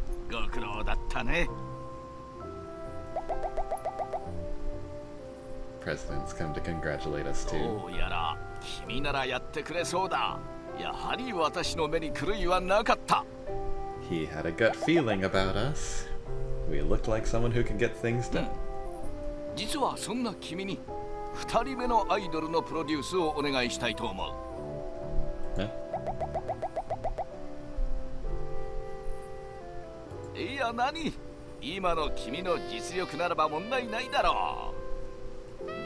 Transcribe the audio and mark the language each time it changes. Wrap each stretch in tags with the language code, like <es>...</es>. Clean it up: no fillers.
<ja>ご苦労だったね。</ja> <en>President's come to congratulate us too.</en> <ja>どうやら君ならやってくれそうだ。やはり私の目に狂いはなかった。</ja> <en>He had a gut feeling about us. We looked like someone who could get things done.、うん、</en> <ja>実はそんな君に二人目のアイドルのプロデュースをお願いしたいと思う。いや何、今の君の実力ならば問題ないだろう。</ja>